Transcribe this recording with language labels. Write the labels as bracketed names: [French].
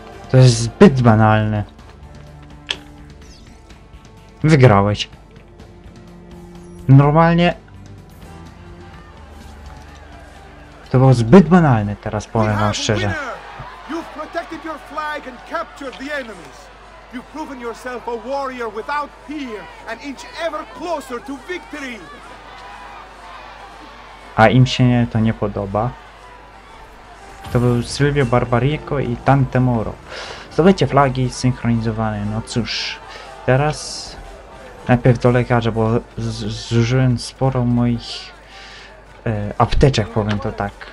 [Polish] To jest zbyt banalne. Wygrałeś. Normalnie. To było zbyt banalne, teraz powiem wam szczerze. [English] You've protected your flag and captured the enemies. You've proven yourself a warrior without peer, an inch ever closer to victory. [Polish] A im się to nie podoba. To był Silvio Barbarigo i Tante Moro. Zdobycie flagi zsynchronizowane, no cóż. Teraz najpierw do lekarza, bo zużyłem sporo moich apteczek, powiem to tak.